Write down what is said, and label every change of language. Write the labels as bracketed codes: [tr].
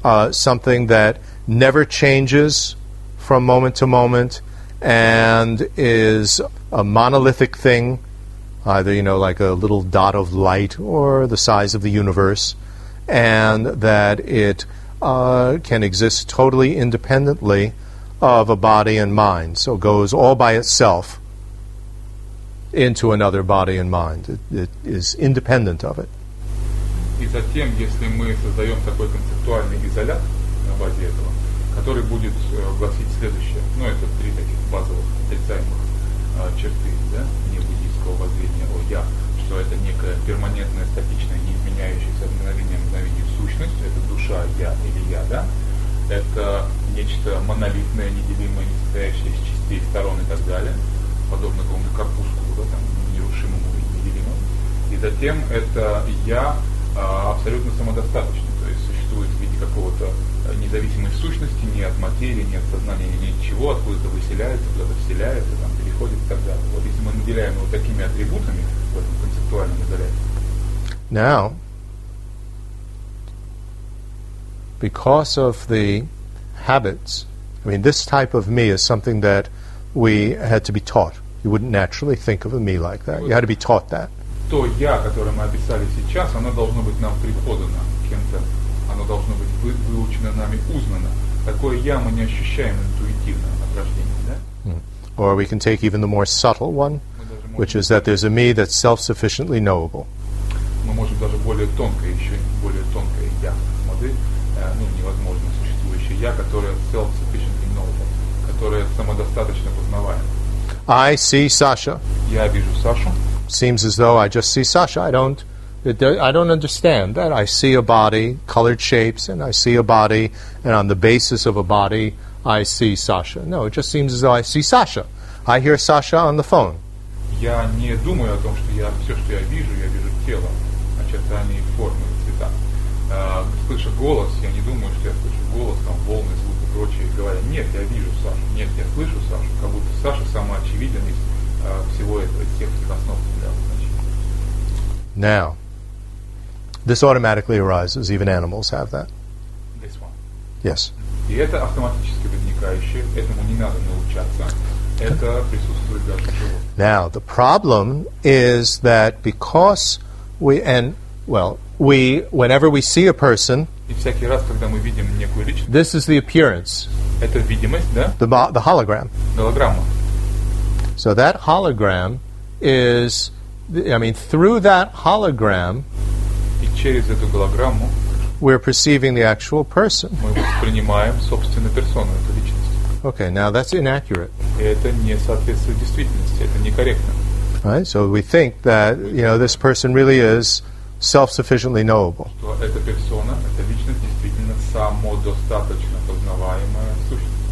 [en] something that never changes from moment to moment, and is a monolithic thing, either, you know, like a little dot of light, or the size of the universe, and that it can exist totally independently of a body and mind, so it goes all by itself into another body and mind. It is independent of it. [ru] И затем, если мы создаем такой концептуальный изолят на базе этого, который будет гласить следующее, ну это три таких базовых отрицаемых черты, да, небуддийского воззрения о я, что это некая перманентная, статичная, неизменяющаяся мгновение сущность, это душа, я или я, да. Это нечто монолитное, неделимое, не состоящее из частей, сторон и так далее, подобно какому-то корпуску, да, там, нерушимому и неделимому. И затем это я абсолютно самодостаточно, то есть существует в виде какого-то независимой сущности, ни от материи, ни от сознания, ни от чего, откуда-то выселяется, куда-то вселяется, там, переходит и так далее. Вот если мы наделяем его такими атрибутами в этом концептуальном изоляции. [en] Now. Because of the habits, I mean, this type of me is something that we had to be taught. You wouldn't naturally think of a me like that. You had to be taught that. [ru] То я, которое мы описали сейчас, оно должно быть нам преподано кем-то. Оно должно быть выучено нами, узнано. Такое я мы не ощущаем интуитивно от рождения, да? [en] Or we can take even the more subtle one, which is that there's a me that's self-sufficiently knowable. [ru] Мы можем даже более тонкое, еще более тонкое. я, модель, ну, невозможно существующее я, которое [en] self-sufficiently knowable, [ru] которое самодостаточно познаваемо. [en] I see Sasha. [ru] Я вижу Сашу. [en] Seems as though I just see Sasha. I don't understand that. I see a body, colored shapes, and I see a body, and on the basis of a body, I see Sasha. No, it just seems as though I see Sasha. I hear Sasha on the phone. [ru] Я не думаю о том, что я все, что я вижу тело, очертания, формы, цвета. Слышу голос, я не думаю, что я слышу голос, там волны, звук и прочее. Говоря, нет, я вижу Сашу, нет, я слышу Сашу, как будто Саша самоочевиден из всего этого, из всех этих основ. [en] Now, this automatically arises. Even animals have that. This one. Yes. [ru] И это автоматически возникающее. Этому не надо научаться. Это присутствует даже в животных. [en] Now, the problem is that because whenever we see a person, [ru] и всякий раз, когда мы видим некую личность, [en] this is the appearance. [ru] Это видимость, да? [en] The hologram. [ru] Голограмма. [en] So that hologram is, I mean, through that hologram, [ru] и через эту голограмму, [en] we're perceiving the actual person. [ru] Мы воспринимаем собственную персону, эту личность. [en] Okay, now that's inaccurate. [ru] И это не соответствует действительности, это некорректно. [en] Right, so we think that, you know, this person really is self-sufficiently knowable. [ru] Что эта персона, эта личность действительно самодостаточно познаваемая сущность.